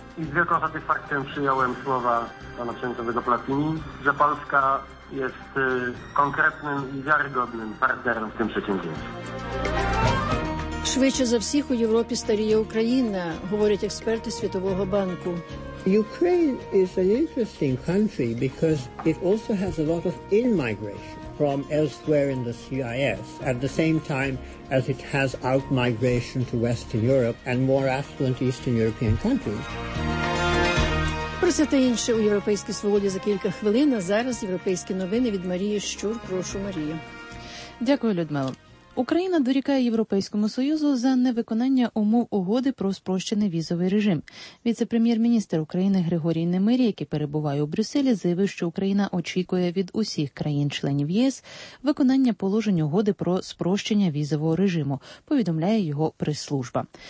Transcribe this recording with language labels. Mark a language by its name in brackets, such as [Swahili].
[Ukrainian] Із великою сатисфакцією прийняли слова пана президента Платіні, що Польща є конкретним і вірогідним партнером в цьому сутінці. Швидше за всіх у Європі старіє Україна, говорять експерти Світового банку. [English] Ukraine is an interesting country because it also has a lot of in-migration from elsewhere in the CIS at the same time as it has out-migration to Western Europe and more affluent Eastern European countries. [Ukrainian] Про це та інше у Європейській свободі за кілька хвилин, а зараз європейські новини від Марії Щур. Прошу, Марія. Дякую, Людмила. Україна дорікає Європейському Союзу за невиконання умов угоди про спрощений візовий режим. Віце-прем'єр-міністр України Григорій Немирі, який перебуває у Брюсселі, заявив, що Україна очікує від усіх країн-членів ЄС виконання положень угоди про спрощення візового режиму, повідомляє його прес-служба.